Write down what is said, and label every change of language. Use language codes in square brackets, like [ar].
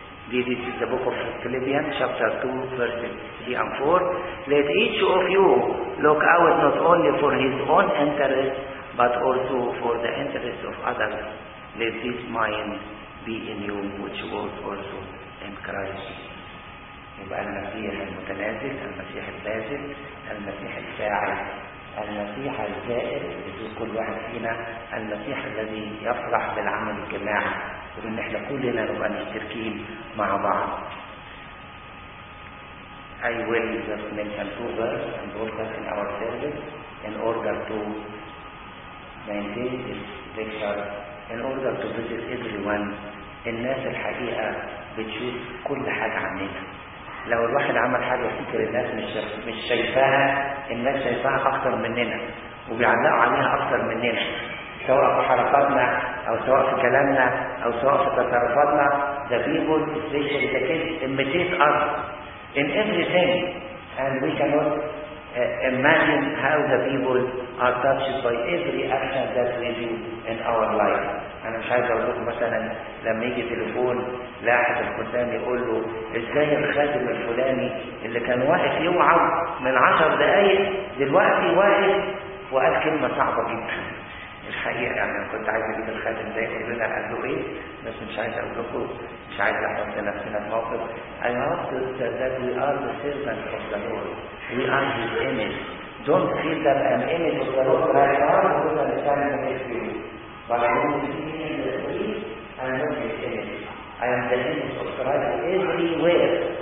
[en] This is the book of Philippians, chapter 2, verses 3 and 4. Let each of you look out not only for his own interest, but also for the interest of others. Let this mind be in you, which was also in Christ. [ar] يبقى المسيح المتنازل، المسيح البازل، المسيح الفاعل، المسيح الزائر بدون كل واحد فينا، المسيح الذي يفرح بالعمل الجماعي وان احنا كلنا نبقى مشتركين مع بعض. [en] I will just mention two verses and put them in our service in order to maintain this lecture, in order to visit everyone. [ar] الناس الحقيقة بتشوف كل حاجة عننا. لو الواحد عمل حاجة فكرة الناس مش شايفاها، الناس شايفاها أكتر مننا وبيعلقوا عليها أكتر مننا، سواء في حركاتنا أو سواء في كلامنا أو سواء في تصرفاتنا. [en] The people especially the kids imitate us in everything and we cannot imagine how the people are touched by every action that we do in our life. [ar] أنا مش عايز أقول لكم مثلا لما يجي تليفون لاحد الخدام يقول له ازاي الخادم الفلاني اللي كان واقف يوعظ من 10 دقايق دلوقتي واقف وقال كلمة صعبة جدا. الحقيقة أنا يعني كنت عايز أجيب الخادم ده يقول لنا قال له إيه، بس مش عايز أقول لكم، مش عايز أحط نفسنا في موقف. [en] I hope that we are the servants of the Lord. We are his image. Don't feel that I'm image of the Lord, but I am the one that is standing next to you. But I don't see me in the street, and not his image. I am the image of Christ everywhere.